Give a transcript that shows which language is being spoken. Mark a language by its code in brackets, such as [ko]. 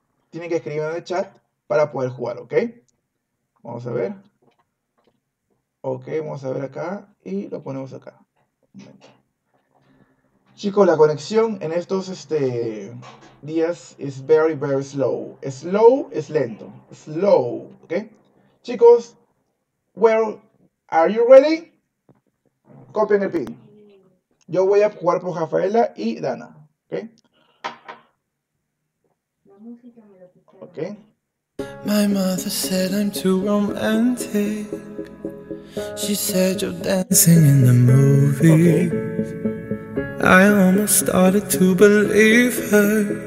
[es] Tienen que escribirme en el chat para poder jugar, ¿ok? Vamos a ver. Ok, vamos a ver acá y lo ponemos acá. Chicos, la conexión en estos días es [en] very, very slow. [es] Slow es lento. Slow, ¿ok? [en] Chicos, well, are you ready? [es] Copien el pin. Yo voy a jugar por Rafaela y Dana. ¿Ok? Ok. [en] My mother said I'm too romantic. She said you're dancing in the movies. Okay. I almost started to believe her.